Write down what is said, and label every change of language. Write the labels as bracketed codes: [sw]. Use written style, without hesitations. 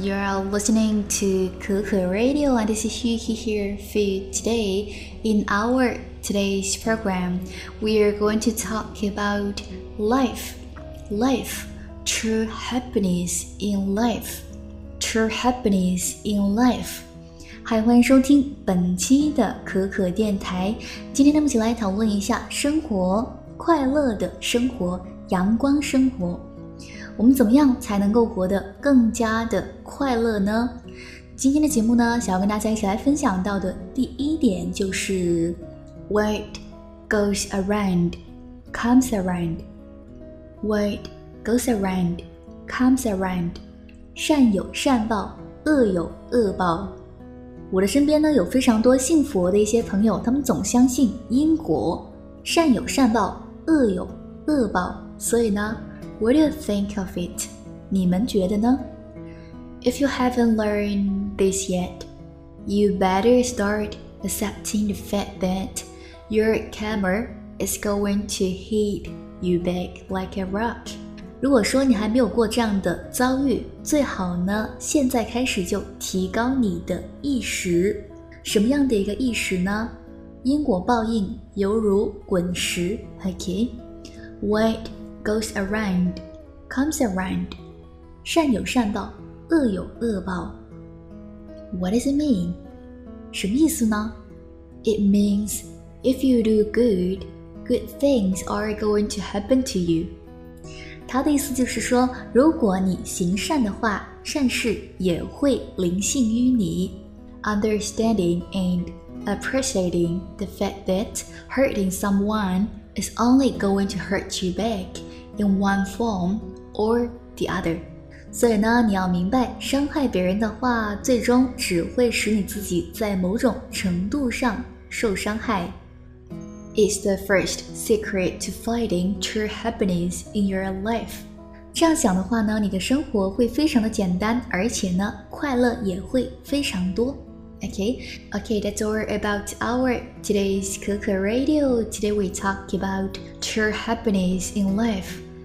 [en] You are listening to Kuku Radio, and this is Yuki here for you today. In our today's program, we are going to talk about life, true happiness in life. [zh] 欢迎收听本期的可可电台。今天咱们一起来讨论一下生活，快乐的生活，阳光生活。我们怎么样才能够活得更加的快乐呢？今天的节目呢，想要跟大家一起来分享到的第一点就是 [en] What goes around comes around. What goes around comes around. [zh] 善有善报，恶有恶报。我的身边呢，有非常多信佛的一些朋友，他们总相信因果，善有善报，恶有恶报。所以呢， [en] What do you think of it? [zh] 你们觉得呢？ [en] If you haven't learned this yet, you better start accepting the fact that your karma is going to hit you back like a rock. [zh] 如果说你还没有过这样的遭遇，最好呢，现在开始就提高你的意识。什么样的一个意识呢？因果报应犹如滚石。 [en] Okay, what goes around comes around. [zh] 善有善报，恶有恶报。 [en] What does it mean? [zh] 什么意思呢？ [en] It means if you do good, good things are going to happen to you. [zh] 他的意思就是说，如果你行善的话，善事也会临幸于你。 [en] Understanding and appreciating the fact that hurting someone is only going to hurt you back in one form or the other. [zh] 所以呢，你要明白，伤害别人的话，最终只会使你自己在某种程度上受伤害。 [en] It's the first secret to finding true happiness in your life. [zh] 这样想的话呢，你的生活会非常的简单，而且呢，快乐也会非常多。 [en] Okay, that's all about our today's Kuku Radio. Today we talk about true happiness in life.